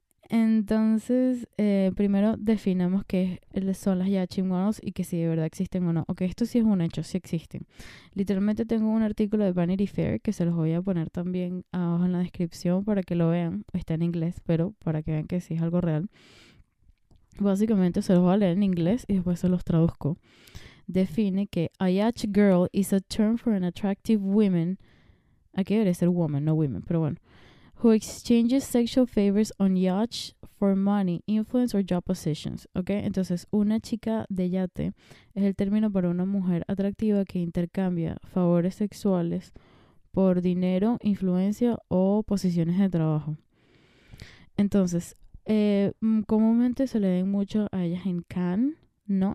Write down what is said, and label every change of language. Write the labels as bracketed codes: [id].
[es] Entonces, primero definamos qué son las Yachi Models y que si de verdad existen o no. Ok, esto sí es un hecho, sí existen. Literalmente tengo un artículo de Vanity Fair que se los voy a poner también abajo en la descripción para que lo vean. Está en inglés, pero para que vean que sí es algo real. Básicamente se los voy a leer en inglés y después se los traduzco. [en] Define que a Yacht Girl is a term for an attractive woman. [es] Aquí debería ser woman, no women, pero bueno. [en] Who exchanges sexual favors on yacht for money, influence or job positions. [es] Okay, entonces una chica de yate es el término para una mujer atractiva que intercambia favores sexuales por dinero, influencia o posiciones de trabajo. Entonces, comúnmente se le ven mucho a ellas en Cannes, ¿no?